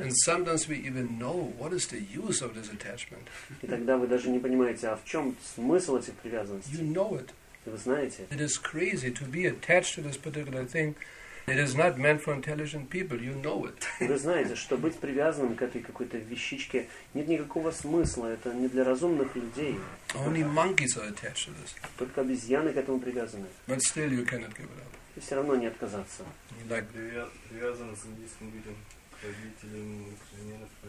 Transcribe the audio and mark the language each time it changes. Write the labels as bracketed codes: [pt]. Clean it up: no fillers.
[en] And sometimes we even know what is the use of this attachment. [ru] И тогда вы даже не понимаете, а в чем смысл этих привязанностей. [en] You know it. [ru] И вы знаете. [en] It is crazy to be attached to this particular thing. It is not meant for intelligent people. You know it. [ru] Вы знаете, что быть привязанным к этой какой-то вещичке нет никакого смысла. Это не для разумных людей. [en] Only monkeys are attached to this. [ru] Только обезьяны к этому привязаны. [en] But still, you cannot give it up. [ru] И все равно не отказаться. [en] Like [ru] привязан с индийским людям, родителям, инженеров.